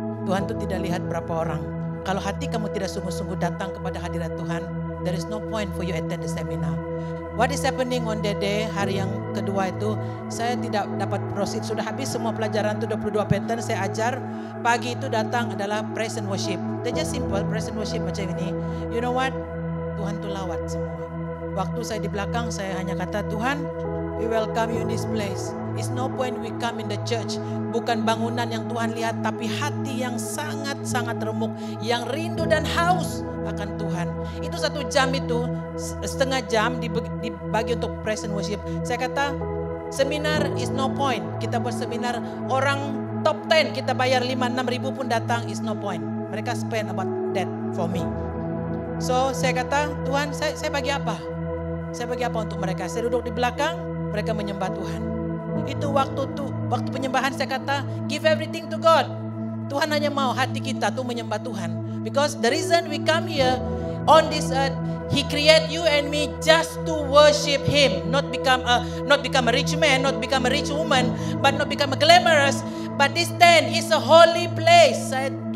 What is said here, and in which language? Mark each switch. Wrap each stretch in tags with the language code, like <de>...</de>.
<ms>Tuhan itu tidak lihat berapa orang. Kalau hati kamu tidak sungguh-sungguh datang kepada hadirat Tuhan,</ms> <en>there is no point for you attend the seminar. What is happening on that day,</en> <ms>hari yang kedua itu, saya tidak dapat proceed. Sudah habis semua pelajaran itu, 22 pattern saya ajar. Pagi itu datang adalah praise and worship.</ms> <en>They're just simple, praise and worship</en> <ms>macam ini.</ms> <en>You know what?</en> <ms>Tuhan itu lawat semua. Waktu saya di belakang, saya hanya kata, Tuhan,</ms> <en>we welcome you in this place. It's no point we come in the church.</en> <ms>Bukan bangunan yang Tuhan lihat, tapi hati yang sangat-sangat remuk, yang rindu dan haus akan Tuhan. Itu satu jam itu, setengah jam dibagi untuk praise and worship. Saya kata, seminar</ms> <en>is no point.</en> <ms>Kita buat seminar, orang top 10 kita bayar 5-6 ribu pun datang, is no point. Mereka</ms> <en>spend about that for me.</en> <ms>So, saya kata, Tuhan, saya bagi apa? Saya bagi apa untuk mereka? Saya duduk di belakang, mereka menyembah Tuhan. Itu waktu tuh, waktu penyembahan saya kata,</ms> <en>give everything to God.</en> <ms>Tuhan hanya mau hati kita tuh menyembah Tuhan.</ms> <en>Because the reason we come here on this earth, He create you and me just to worship Him, not become a rich man, not become a rich woman, but not become a glamorous. But this tent is a holy place. Saya</en>